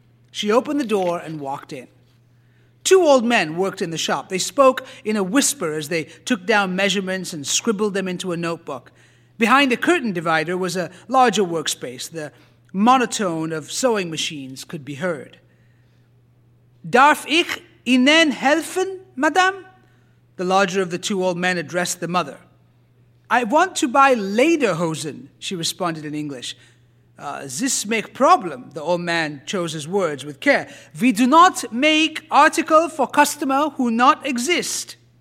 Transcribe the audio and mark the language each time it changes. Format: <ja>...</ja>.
<en>She opened the door and walked in. Two old men worked in the shop. They spoke in a whisper as they took down measurements and scribbled them into a notebook. Behind a curtain divider was a larger workspace. The monotone of sewing machines could be heard.</en> <de>Darf ich Ihnen helfen, Madame?</de> <en>The larger of the two old men addressed the mother. I want to buy Lederhosen, she responded in English. This make problem, the old man chose his words with care. We do not make article for customer who not exist.</en>